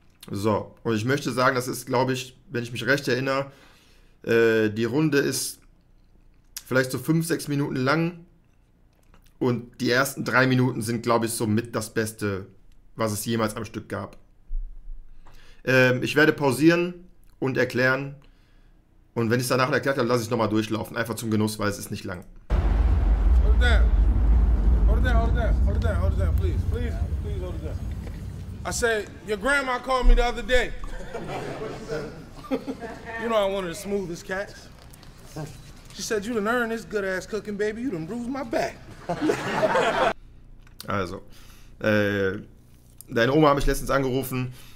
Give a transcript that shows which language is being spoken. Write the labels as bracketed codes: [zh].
[de] So, und ich möchte sagen, das ist, glaube ich, wenn ich mich recht erinnere, die Runde ist vielleicht so 5, 6 Minuten lang und die ersten 3 Minuten sind, glaube ich, so mit das Beste, was es jemals am Stück gab. Ich werde pausieren und erklären. Und wenn ich es danach erklärt habe, lasse ich es nochmal durchlaufen. Einfach zum Genuss, weil es ist nicht lang. [en] Hold there. Hold there, hold there. Hold there, hold there, please. Please, please hold there. I said, your grandma called me the other day. You know I wanted the smoothest cats. She said, you done earned this good ass cooking, baby. You done bruised my back. [de] Also, deine Oma habe ich letztens angerufen.